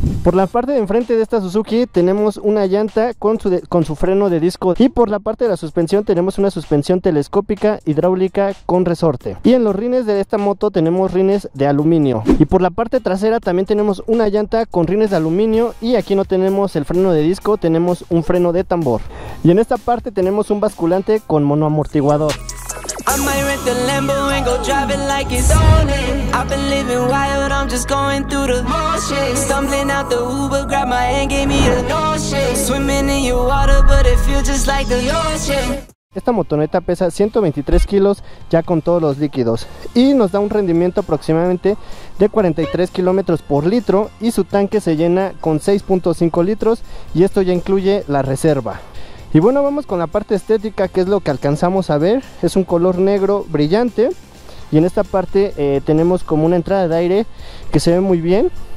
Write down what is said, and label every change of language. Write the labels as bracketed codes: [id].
[es] Por la parte de enfrente de esta Suzuki tenemos una llanta con su freno de disco, y por la parte de la suspensión tenemos una suspensión telescópica hidráulica con resorte. Y en los rines de esta moto tenemos rines de aluminio, y por la parte trasera también tenemos una llanta con rines de aluminio, y aquí no tenemos el freno de disco, tenemos un freno de tambor. Y en esta parte tenemos un basculante con monoamortiguador. [en] I might rent the Lambo and go drive it like it's owning. I've been living wild, I'm just going through the motions. Stumbling out the Uber, grab my hand, gave me a notion. Swimming in your water, but it feels just like the ocean. [es] Esta motoneta pesa 123 kilos ya con todos los líquidos y nos da un rendimiento aproximadamente de 43 kilómetros por litro, y su tanque se llena con 6.5 litros y esto ya incluye la reserva. Y bueno, vamos con la parte estética, que es lo que alcanzamos a ver. Es un color negro brillante y en esta parte tenemos como una entrada de aire que se ve muy bien.